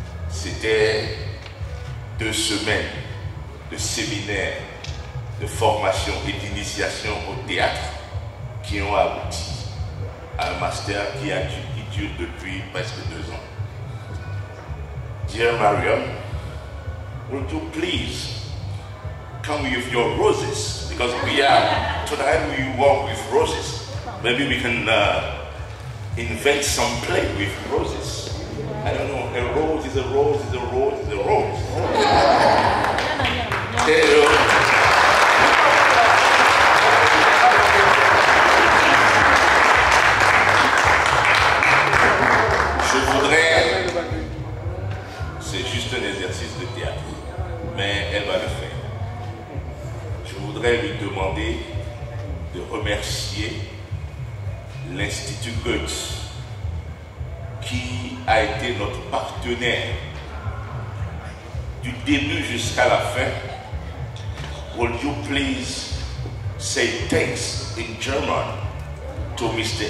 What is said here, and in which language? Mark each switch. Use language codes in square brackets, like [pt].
[fr] C'était 2 semaines de séminaires, de formation et d'initiation au théâtre qui ont abouti à un master qui dure depuis presque 2 ans. [en] Dear Marion, would you please come with your roses, because we are, tonight we walk with roses. Maybe we can invent some play with roses. I don't know, a rose is a rose is a rose is a rose. Hello. [fr] Je voudrais, c'est juste un exercice de théâtre, mais elle va le faire. Je voudrais lui demander de remercier l'Institut Goethe qui a été notre partenaire du début jusqu'à la fin. [en] Would you please say thanks in German to Mr.